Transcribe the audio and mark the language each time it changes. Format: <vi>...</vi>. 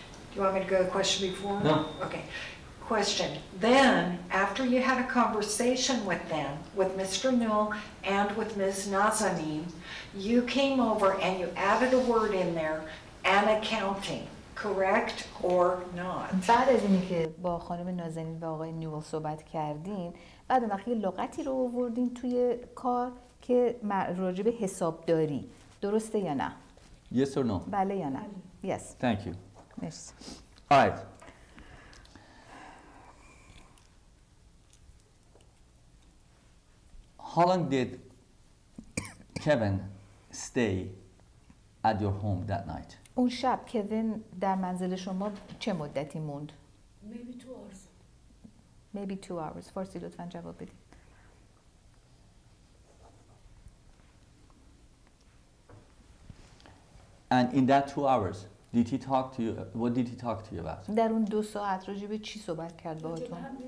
<en>Do you want me to go to the question before? No. Okay. Question. Then after you had a conversation with them, with Mr. Newell and with Ms. Nazanin, you came over and you added a word in there, an accounting. Correct or not?</en> <fa>بعد از اینکه با خانم نازنین و آقای نیول صحبت کردین، بعد از اینکه لغتی رو آوردین توی کار که راجع به حسابداری، درسته یا نه؟</fa> <en>Yes or no?</en> <fa>بله یا نه.</fa> <en>Yes. Thank you. Yes. All right. How long did Kevin stay at your home that night?</en> <fa>اون شب کوین در منزل شما چه مدتی موند؟</fa> <en>Maybe 2 hours. Maybe 2 hours.</en> <fa>فارسی لطفا جواب بدی.</fa> <en>And in that 2 hours, did he talk to you? What did he talk to you about?</en> <fa>در اون دو ساعت راجع به چی صحبت کرد باهاتون؟</fa>